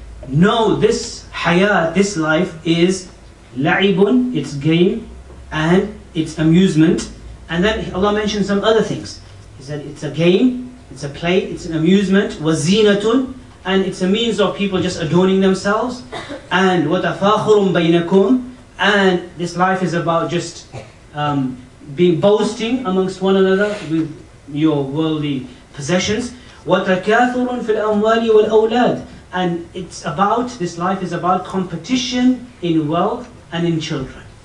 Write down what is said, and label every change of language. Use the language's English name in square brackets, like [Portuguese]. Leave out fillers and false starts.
[English] Know this hayat, this life is la'ibun, it's game, and it's amusement. And then Allah mentioned some other things. He said it's a game, it's a play, it's an amusement. Wazinatun. And it's a means of people just adorning themselves. [Arabic] And وَتَفَاخُرٌ بَيْنَكُمْ. [English] And this life is about just being boasting amongst one another with your worldly possessions. [Arabic] وَتَكَاثُرٌ فِي الْأَمْوَالِ وَالْأَوْلَادِ. [English] And it's about, this life is about competition in wealth and in children.